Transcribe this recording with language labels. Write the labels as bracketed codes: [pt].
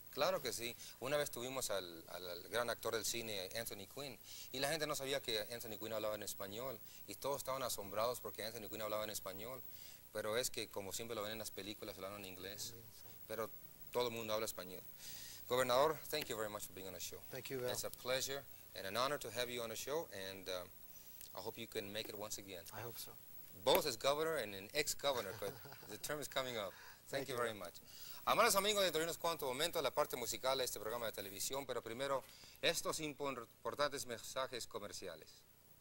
[es] Claro que sí. Una vez tuvimos al gran actor del cine, Anthony Quinn, y la gente no sabía que Anthony Quinn hablaba en español, y todos estaban asombrados porque Anthony Quinn hablaba en español, pero es que, como siempre lo ven en las películas, hablan en inglés, pero todo el mundo habla español. [en] Gobernador, thank you very much for being on the show. Thank you, Bill. It's a pleasure and an honor to have you on the show, and I hope you can make it once again. I hope so. Both as governor and an ex-governor, but the term is coming up. Thank you very much. [es] Amados amigos, dentro de unos cuantos momentos, la parte musical de este programa de televisión, pero primero, estos importantes mensajes comerciales.